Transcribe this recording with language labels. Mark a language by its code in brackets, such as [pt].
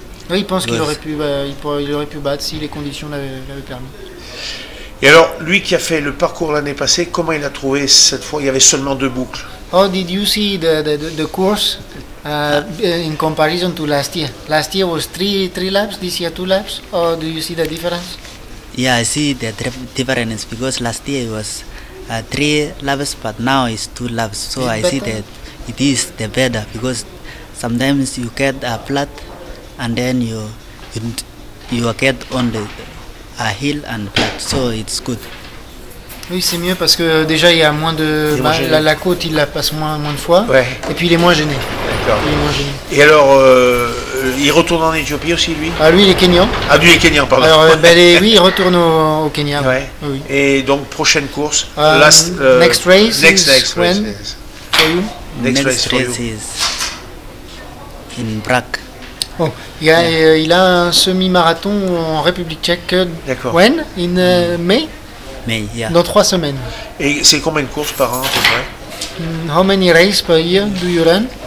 [fr] Oui, il pense qu'il aurait pu battre si les conditions l'avaient permis. Et alors, lui qui a fait le parcours l'année passée, comment il a trouvé cette fois? Il y avait seulement deux boucles. [en] How did you see the course in comparison to last year? Last year was three laps, this year two laps. Or do you see the difference? Yeah, I see the difference because last year it was three laps, but now it's two laps. So it's I see that it is the better because sometimes you get a flat and then you get on the a hill and flat, so it's good. [fr] Oui, c'est mieux parce que déjà il y a moins de la côte, il la passe moins de fois, ouais. Et puis il est moins gêné. D'accord. Il est moins gêné. Et alors, il retourne en Éthiopie aussi, lui ? Ah, lui, il est Kenyan. Ah, lui, il est Kenyan, pardon. Alors, ben, les, oui, il retourne au Kenya. Ouais. Ouais. Oui. Et donc, prochaine course. [en] Next race. Next when race. For you. Next race is in Prague. [fr] Bon, il a un semi-marathon en République tchèque. D'accord. [en] When ? In May ? May, yeah. [fr] Dans 3 semaines. Et c'est combien de courses par an, à peu près ? [en] How many races per year do you run?